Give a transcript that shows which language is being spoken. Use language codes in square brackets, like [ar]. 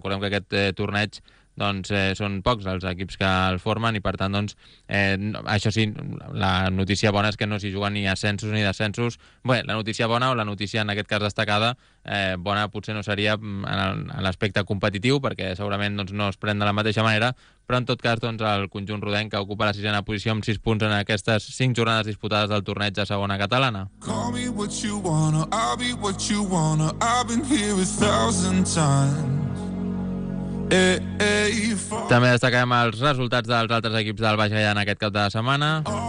[ca] Recordem que aquest torneig doncs, són pocs els equips que el formen i per tant, doncs, això sí, la notícia bona és que no s'hi juguen ni ascensos ni descensos. Bé, la notícia bona o la notícia en aquest cas destacada, bona potser no seria en l'aspecte competitiu perquè segurament doncs, no es pren de la mateixa manera, però en tot cas doncs, el conjunt rodenc que ocupa la sisena posició amb 6 punts en aquestes 5 jornades disputades del torneig de segona catalana. [en] Call me what you wanna, I'll be what you wanna, I've been here a thousand times. [ca] També destacarem els resultats dels altres equips del Baix Gaià en aquest cap de setmana.